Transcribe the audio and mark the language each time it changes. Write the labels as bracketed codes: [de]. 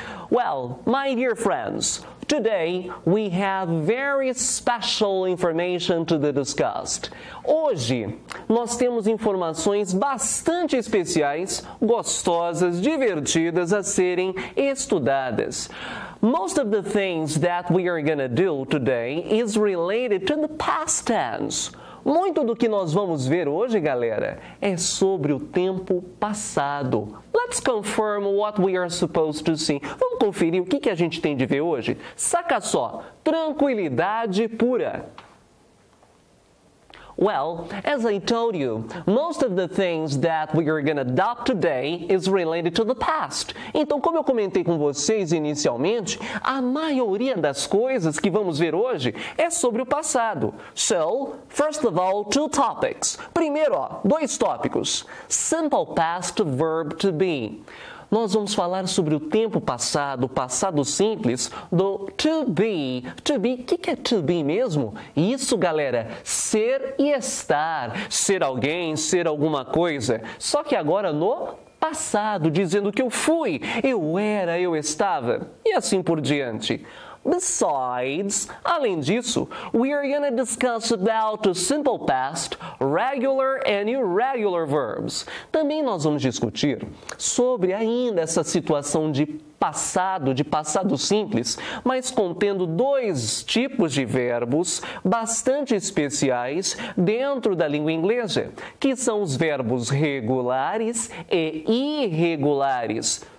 [en] Well, my dear friends, today we have very special information to be discussed. [pt] Hoje, nós temos informações bastante especiais, gostosas, divertidas a serem estudadas. [en] Most of the things that we are going to do today is related to the past tense. [pt] Muito do que nós vamos ver hoje, galera, é sobre o tempo passado. [en] Let's confirm what we are supposed to see. [pt] Vamos conferir o que a gente tem de ver hoje? Saca só, tranquilidade pura. [en] Well, as I told you, most of the things that we are going to adopt today is related to the past. [pt] Então, como eu comentei com vocês inicialmente, a maioria das coisas que vamos ver hoje é sobre o passado. [en] So, first of all, two topics. [pt] Primeiro, ó, dois tópicos. [en] Simple past verb to be. [pt] Nós vamos falar sobre o tempo passado, passado simples, do to be. To be, o que é to be mesmo? Isso, galera, ser e estar. Ser alguém, ser alguma coisa. Só que agora no passado, dizendo que eu fui, eu era, eu estava. E assim por diante. [en] Besides, [pt] além disso, [en] we are going to discuss about simple past, regular and irregular verbs. [pt] Também nós vamos discutir sobre ainda essa situação de passado simples, mas contendo dois tipos de verbos bastante especiais dentro da língua inglesa, que são os verbos regulares e irregulares.